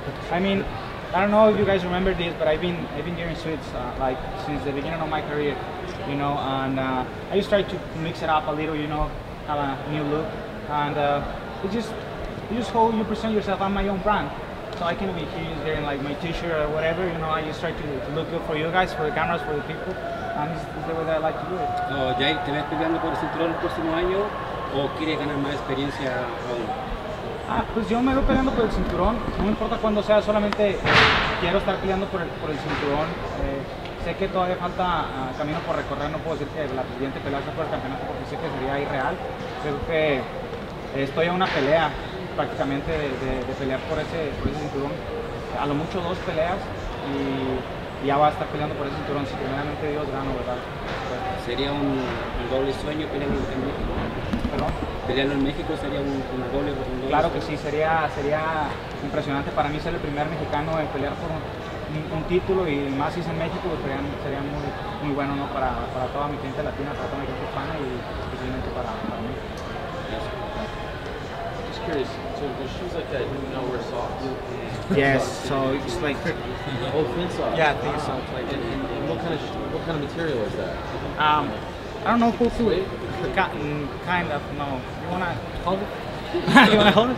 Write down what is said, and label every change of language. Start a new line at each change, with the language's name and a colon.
English: I mean, I don't know if you guys remember this, but I've been wearing suits like since the beginning of my career, you know, and I just try to mix it up a little, you know, have a new look, and it's just how you present yourself. I'm my own brand. So I can be here just wearing like my t-shirt or whatever, you know, I just try to look good for you guys, for the cameras, for the people, and this is the way that I like to do it. So,
Spanish: Jay, ¿te ves peleando por el cinturón el próximo año o quieres ganar más experiencia aún? Ah, pues yo me veo peleando por el cinturón, no importa cuándo sea, solamente quiero estar peleando por el cinturón. Sé que todavía falta camino por recorrer, no puedo decir que la siguiente pelea sea por el campeonato porque sé que sería irreal. Creo que estoy a una pelea. Prácticamente de pelear por ese cinturón, a lo mucho dos peleas y ya va a estar peleando por ese cinturón si primeramente Dios gano, ¿verdad? Pues, ¿sería un doble sueño pelear en México? ¿Perdón? ¿Pelear en México sería un doble claro sueño? Que sí, sería impresionante para mí ser el primer mexicano en pelear por un título y más si es en México, pues sería muy, muy bueno, ¿no? para toda mi gente latina, para toda mi gente hispana y especialmente para mí. Gracias.
English: Just curious, so the shoes like that, you know, wear socks? Yes, so it's like... Oh, thin socks? Yeah, thin socks. And what kind of material is that? I don't know, hopefully cotton, kind of, no. You want to hold it? You want to hold it?